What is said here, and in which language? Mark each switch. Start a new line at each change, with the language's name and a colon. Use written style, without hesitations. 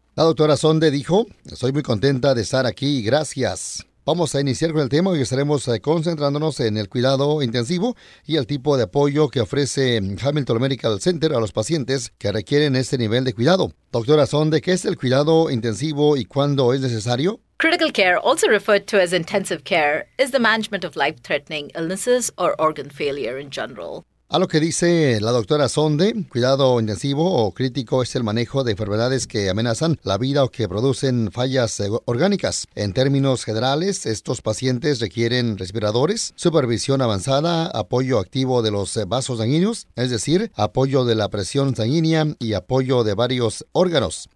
Spanish: La doctora Sonde dijo, estoy muy contenta de estar aquí, gracias. Vamos a iniciar con el tema y estaremos concentrándonos en el cuidado intensivo y el tipo de apoyo que ofrece Hamilton Medical Center a los pacientes que requieren este nivel de cuidado. Doctora Sonde, ¿qué es el cuidado intensivo y cuándo es necesario?
English: Critical care, also referred to as intensive care, is the management of life-threatening illnesses or organ failure in general.
Spanish: A lo que dice la doctora Sonde, cuidado intensivo o crítico es el manejo de enfermedades que amenazan la vida o que producen fallas orgánicas. En términos generales, estos pacientes requieren respiradores, supervisión avanzada, apoyo activo de los vasos sanguíneos, es decir, apoyo de la presión sanguínea y apoyo de varios órganos.